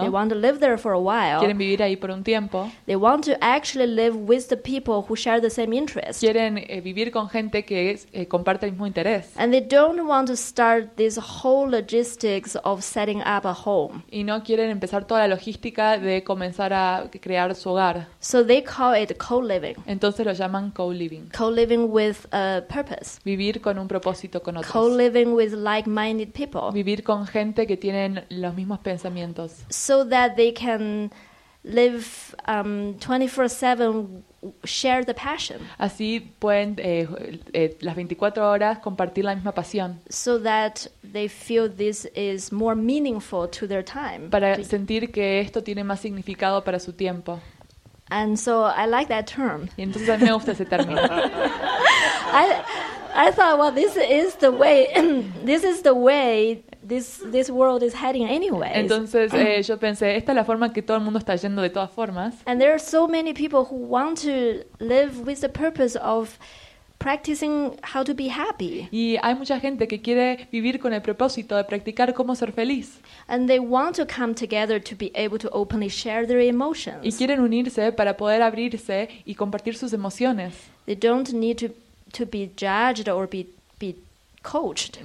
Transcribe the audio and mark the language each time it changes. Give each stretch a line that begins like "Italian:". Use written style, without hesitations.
English: they want to live there for a while.
Spanish: Quieren vivir ahí por un tiempo.
English: They want to actually live with the people who share the same interest.
Spanish: Quieren vivir con gente que comparte el mismo interés.
English: And they don't want to start this whole logistics of setting up a home.
Spanish: Y no quieren empezar toda la logística de comenzar a crear su hogar.
English: So they call it co-living.
Spanish: Entonces lo llaman co-living.
English: Co-living with a purpose.
Spanish: Vivir con un propósito con otros.
English: Co-living with like-minded people.
Spanish: Vivir con gente que tienen los mismos pensamientos.
English: So that they can live 24/7, share the passion.
Spanish: Así pueden las 24 horas compartir la misma pasión.
English: So that they feel this is more meaningful to their time.
Spanish: Para sentir que esto tiene más significado para su tiempo.
English: And so I like that term.
Spanish: Y entonces a mí me gusta ese término.
English: I thought, well, this is the way this world is heading anyway.
Spanish: Entonces yo pensé, esta es la forma que todo el mundo está yendo de todas formas.
English: And there are so many people who want to live with the purpose of practicing how to be happy.
Spanish: Y hay mucha gente que quiere vivir con el propósito de practicar cómo ser feliz.
English: And they want to come together to be able to openly share their emotions.
Spanish: Y quieren unirse para poder abrirse y compartir sus emociones.
English: They don't need to be judged or be coached.